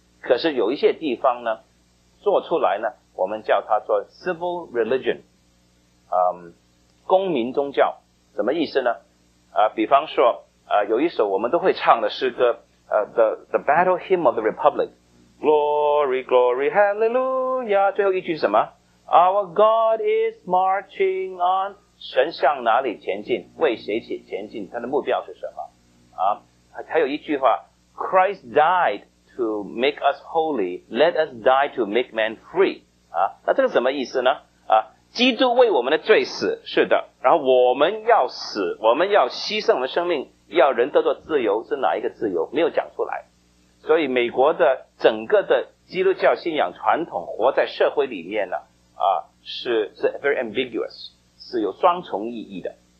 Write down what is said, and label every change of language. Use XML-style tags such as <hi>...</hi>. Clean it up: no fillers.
<zh>可是有一些地方呢，做出来呢，我们叫它做 civil religion, 公民宗教。什么意思呢？比方说有一首我们都会唱的诗歌The Battle Hymn of the Republic,</zh> <en>Glory, Glory, Hallelujah,</en> <zh>最后一句是什么？</zh> <en>Our God is marching on,</en> <zh>神向哪里前进，为谁前进，他的目标是什么还有一句话，</zh> <en>Christ died to make us holy, let us die to make man free,</en> <zh>那这个什么意思呢？基督为我们的罪死，是的，然后我们要死，我们要牺牲我们的生命，要人得到自由，是哪一个自由？没有讲出来。所以美国的整个的基督教信仰传统活在社会里面呢，是</zh> <en>very ambiguous,</en> <zh>是有双重意义的。</zh>